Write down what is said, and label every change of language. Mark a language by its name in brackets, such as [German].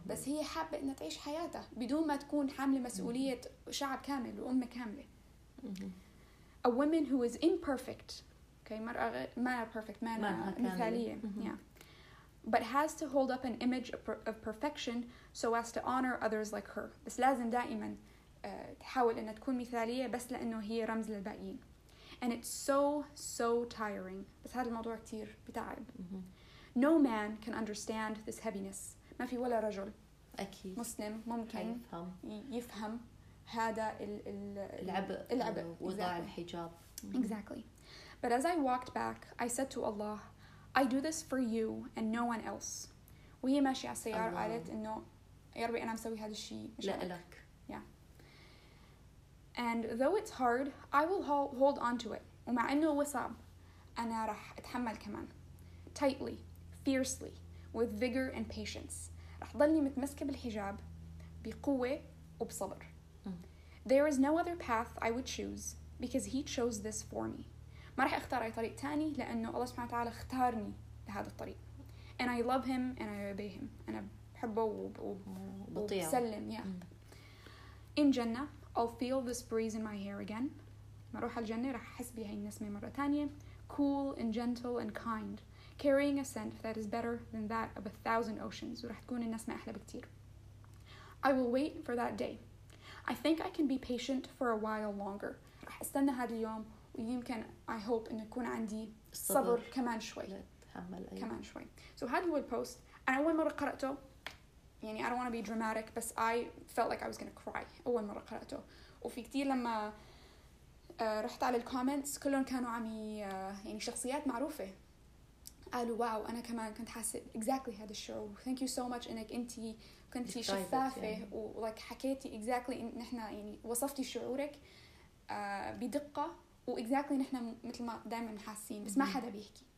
[Arabic] بس هي حابة انها تعيش حياتها بدون ما تكون حاملة مسؤولية شعب كامل وأمة كاملة [English] A woman who is imperfect okay [Arabic] مرأة ما perfect ما مثالية [English] but has to hold up an image of perfection so as to honor others like her [Arabic] بس لازم دائما تحاول انها تكون مثالية بس لأنه هي رمز للباقيين [English] And it's so, so tiring. [Arabic] بس هذا الموضوع كتير بتعب. [English] No man can understand this heaviness. [Arabic] ما في ولا رجل. أكيد. مسلم ممكن. يفهم. يفهم هذا العبء. العبء. وضع الحجاب. [English] Exactly. But as I walked back, I said to Allah, I do this for you and no one else. [Arabic] وهي ماشي على السيارة قالت إنه يا ربي أنا مسوي هذا الشيء. لألك. [English] And though it's hard, I will hold on to it. [Arabic] ومع إنه وصعب, أنا رح أتحمل كمان. [English] Tightly, fiercely, with vigor and patience. [Arabic] رح ضلني متمسكة بالحجاب بقوة وبصبر. [English] There is no other path I would choose because he chose this for me. [Arabic] ما رح أختار أي طريق تاني لأنه الله سبحانه وتعالى اختارني لهذا الطريق. [English] And I love him and I obey him. [Arabic] أنا بحبه وبسلم. Yeah. [English] In Jannah, I'll feel this breeze in my hair again. [Arabic] ما روح الجنة رح أحس بهاي النسمة مرة تانية. [English] Cool and gentle and kind, carrying a scent that is better than that of 1,000 oceans. [Arabic] ورح تكون النسمة أحلى بكتير. [English] I will wait for that day. I think I can be patient for a while longer. [Arabic] رح استنى هذا اليوم ويمكن [English] I hope [Arabic] إنه يكون عندي صبر كمان شوي. أتحمل أيوة. كمان شوي. So هذا هو البوست. أنا أول مرة قرأته. [English] يعني I don't want to be dramatic, but I felt like I was gonna cry [Arabic] أول مرة قرأته. وفي كتير لما رحت على الكومنتس كلهم كانوا عمي يعني شخصيات معروفة. قالوا واو أنا كمان كنت حاسة exactly هذا الشعور. [English] Thank you so much [Arabic] إنك أنتي كنتي شفافة يعني. ولك حكيتي exactly إن إحنا يعني وصفتي شعورك بدقة وexactly نحنا مثل ما دائما حاسين بس ما حدا بيحكي.